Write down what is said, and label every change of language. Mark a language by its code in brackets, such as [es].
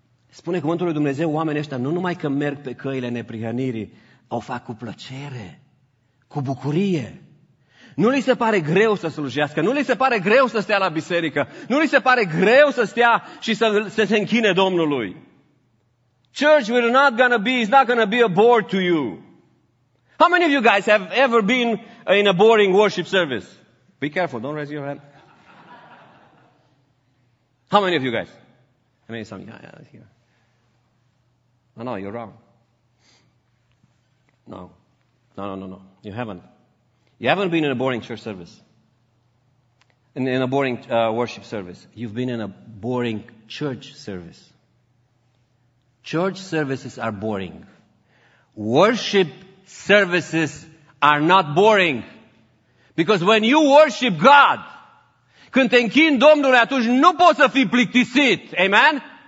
[ro] Spune cuvântul lui Dumnezeu, oamenii ăștia nu numai că merg pe căile neprihănirii, o fac cu plăcere, cu bucurie. Nu li se pare greu să slujească, nu li se pare greu să stea la biserică, nu li se pare greu să stea și să se închine Domnului. [en] Church will not gonna be, it's not gonna be a bore to you. How many of you guys have ever been in a boring worship service? Be careful, don't raise your hand. How many of you guys? I mean, some, yeah. No, you're wrong. No. You haven't. You haven't been in a boring church service. In a boring worship service. You've been in a boring church service. Church services are boring. Worship services are not boring. Because when you worship God, [ro] când te închini Domnului, atunci nu poți să fii plictisit. Amen?